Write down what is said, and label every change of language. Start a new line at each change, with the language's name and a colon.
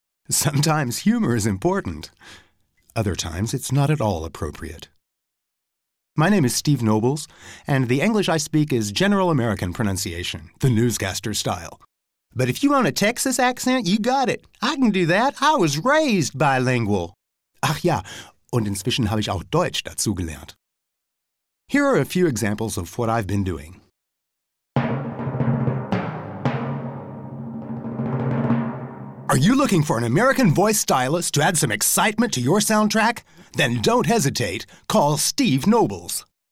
English: Sometimes humor is important. Other times it's not at all appropriate. My name is Steve Nobles, and the English I speak is General American pronunciation, the newscaster style. But if you want a Texas accent, you got it. I can do that. I was raised bilingual.
German: Ach ja, und inzwischen habe ich auch Deutsch dazugelernt.
English: Here are a few examples of what I've been doing. Are you looking for an American voice stylist to add some excitement to your soundtrack? Then don't hesitate. Call Steve Nobles.